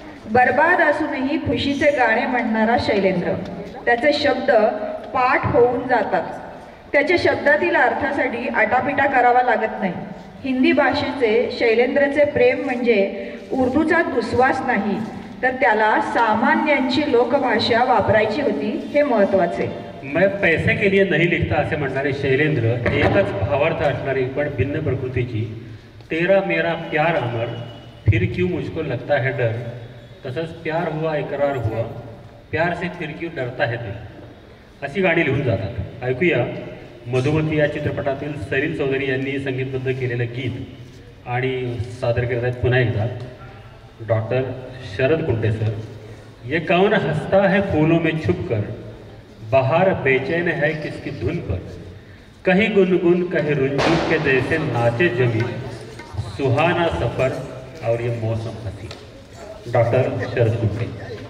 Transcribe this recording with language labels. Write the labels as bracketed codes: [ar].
[mr] बर्बाद असूनही खुशीचे गाणे म्हणणारा शैलेंद्र, त्याचे शब्द पाठ होऊन जातात. त्याच्या शब्दातील अर्थासाठी आटापिटा करावा लागत नाही. हिंदी भाषेचे शैलेंद्रचे प्रेम म्हणजे उर्दूचा दुस्वास नाही, तर त्याला सामान्यांची लोकभाषा वापरायची होती हे महत्त्वाचे. [hi] मैं पैसे के लिए नहीं लिखता [mr] असे म्हणणारे शैलेंद्र एकच भावार्थ असणारी पण भिन्न प्रकृतीची [hi] तेरा मेरा प्यार अमर फिर क्यों मुझको लगता है डर, [mr] तसंच [hi] प्यार हुआ इकरार हुआ प्यार से फिर क्यों डरता है दिल, [mr] अशी गाणी लिहून जातात. ऐकूया मधुमती या चित्रपटातील सरीन चौधरी यांनी संगीतबद्ध केलेलं गीत आणि सादर करत आहेत पुन्हा एकदा डॉक्टर शरद कुंटे सर. [hi] ये कौन हसता है फूलों में छुप कर, बहार बेचैन है किसकी धुन पर, कहीं गुनगुन कहीं रुंझुन के जैसे नाचे जमी, सुहाना सफर और ये मौसम हसी. [mr] डॉक्टर शरद कुंटे.